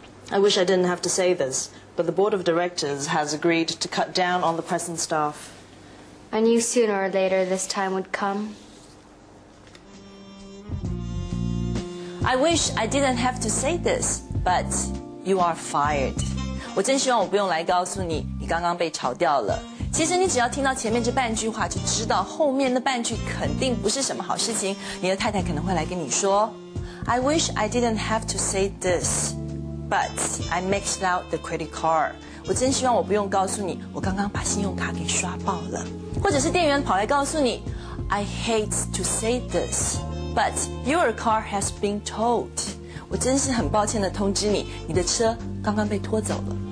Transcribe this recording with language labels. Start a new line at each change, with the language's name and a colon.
English: I wish I didn't have to say this, but the board of directors has agreed to cut down on the present staff. I knew sooner or later this time would come. I wish I didn't have to say this, but you are fired.
Chinese: 我真希望我不用来告诉你，你刚刚被炒掉了。其实你只要听到前面这半句话，就知道后面那半句肯定不是什么好事情。你的太太可能会来跟你说
English: ，I wish I didn't have to say this, but I maxed out the credit card.
Chinese: 我真希望我不用告诉你，我刚刚把信用卡给刷爆了。或者是店员跑来告诉你
English: ，I hate to say this. But your car has been towed.
Chinese: 我真是很抱歉地通知你，你的车刚刚被拖走了。